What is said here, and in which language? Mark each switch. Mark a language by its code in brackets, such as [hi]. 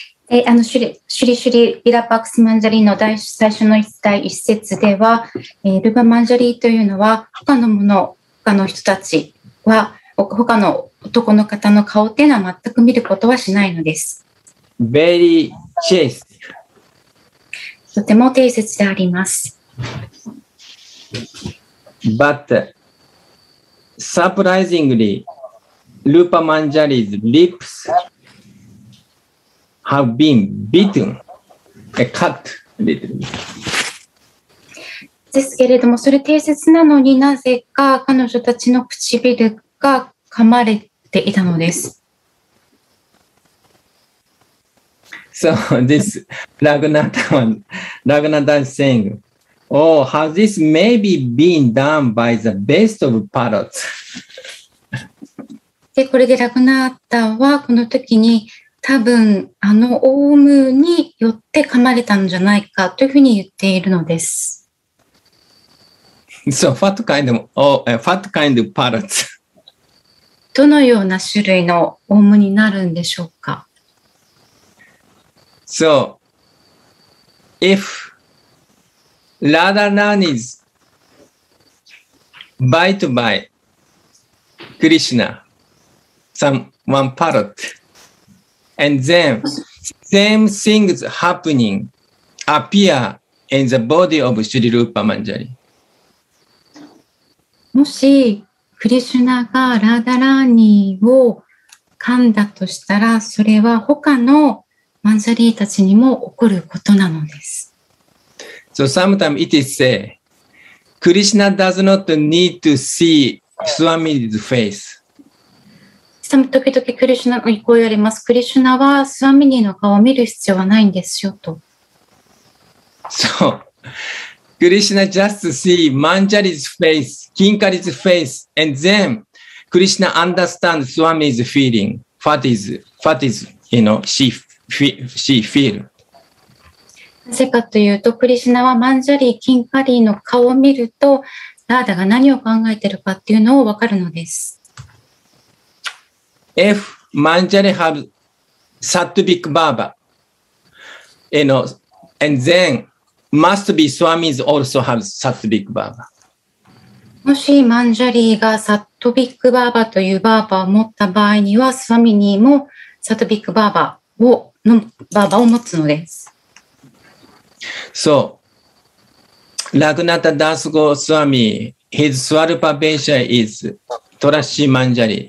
[ja] シュリシュリビラパクスマンジャリの最初の第一節では、ルパマンジャリというのは他のもの、他の人たちは他の男の方の顔というのは全く見ることはしないのです。 [en] Very chaste. [ja] とても丁寧であります。 [en] But surprisingly, Rupa Manjari's lips have been bitten, cut a little bit. [ja] ですけれども、それ丁寧なのになぜか彼女たちの唇が噛まれていたのです。 [en] So this Raghunatha is saying, oh, has this maybe been done by the best of parrots? [ja] で、これでラグナータはこの時に多分あのオウムによって噛まれたんじゃないかというふうに言っているのです。 [en] So what kind of, oh, what kind of parrots? [ja] どのような種類のオウムになるんでしょうか? [en] So, if Radharani's bite by Krishna, one parrot, and then same things happening appear in the body of Sri Rupa Manjari. [ja] もしクリシュナがラダラーニを噛んだとしたら、それは他のマンジャリーたちにも起こることなのです。 [en] So sometimes it is said, Krishna does not need to see Swami's face. [ja] 時々クリシュナの意向をやります。クリシュナはスワミニーの顔を見る必要はないんですよと。 [en] So, Krishna just see Manjari's face. Kinkari's face, and then Krishna understands Swami's feeling. What is, you know, she feel. [ja] なぜかというと、クリシナはマンジャリー、キンカリーの顔を見ると、ラーダが何を考えているかっていうのを分かるのです。 [en] If Manjari have Sattvic Baba, you know, and then must be Swami's also have Sattvic Baba. [ja] もしマンジャリーがサトビックバーバというバーバを持った場合には、スワミニーもサトビックバーバを、のバーバを持つのです。 [en] So, ラグナタダスゴスワミ、his swarupa vesha is トラッシーマンジャリー。